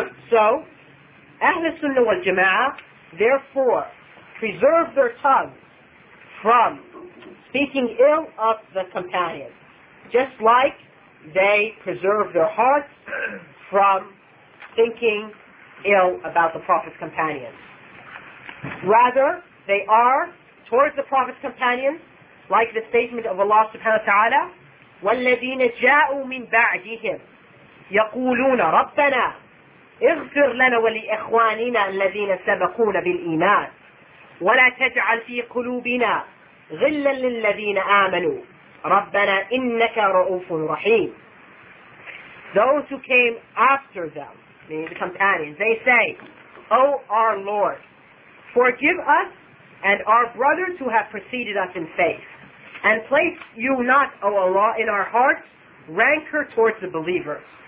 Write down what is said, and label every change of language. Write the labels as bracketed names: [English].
[English] So, Ahlul Sunnah wal Jama'ah, therefore, preserve their tongue from speaking ill of the companion, just like they preserve their hearts from thinking ill about the Prophet's companions. Rather, they are towards the Prophet's companions, like the statement of Allah subhanahu wa ta'ala, [Arabic] وَالَّذِينَ جَاءُوا مِنْ بَعْدِهِمْ يَقُولُونَ رَبَّنَا اغْفِرْ لَنَا وَلِإِخْوَانِنَا الَّذِينَ سَبَقُونَ بِالْإِيمَانِ وَلَا تَجْعَلْ فِي قُلُوبِنَا غِلًّا لِلَّذِينَ آمَنُوا رَبَّنَا إِنَّكَ رَؤُوفٌ رَحِيمٌ. [English] Those who came after them, meaning the companions, they say, O our Lord, forgive us and our brothers who have preceded us in faith, and place you not, O Allah, in our hearts rancor towards the believers.